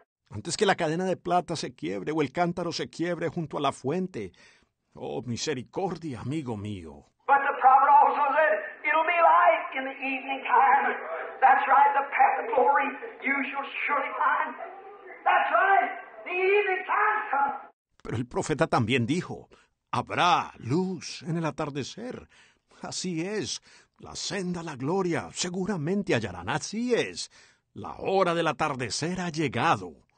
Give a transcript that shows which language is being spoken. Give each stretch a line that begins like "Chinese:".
Spanish: Antes que la cadena de plata se quiebre, o el cántaro se quiebre junto a la fuente, oh, misericordia, amigo mío.
English: But the prophet also said, it'll be light in the evening time. That's right, the path of glory you shall surely find. That's right, the evening time comes.
Spanish: Pero el profeta también dijo, habrá luz en el atardecer. Así es, la senda a la gloria seguramente hallarán. Así es, la hora del atardecer ha llegado.